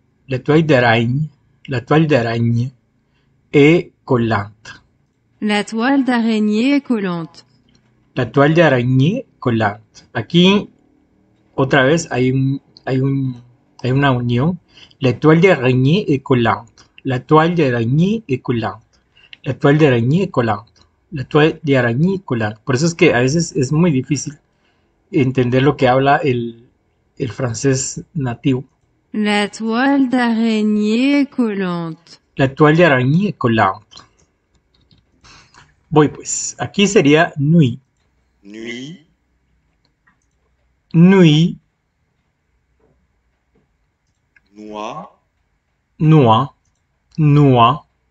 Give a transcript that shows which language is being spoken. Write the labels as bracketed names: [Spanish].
[French] La toile d'araigne, la toile d'araigne est collante. La toile d'araignée est collante. La toile d'araignée collante. [Spanish] Aquí, otra vez, hay una unión. [French] La toile d'araignée est collante. La toile d'araignée est collante. La toile d'araignée est collante. La toile d'araignée est collante. [Spanish] Por eso es que a veces es muy difícil entender lo que habla el francés nativo. [French] La toile d'araignée est collante. La toile [Spanish] de araña y colado. Voy pues. Aquí sería nuit. [French] Nuit. Nuit. Noir. Noir. Noir.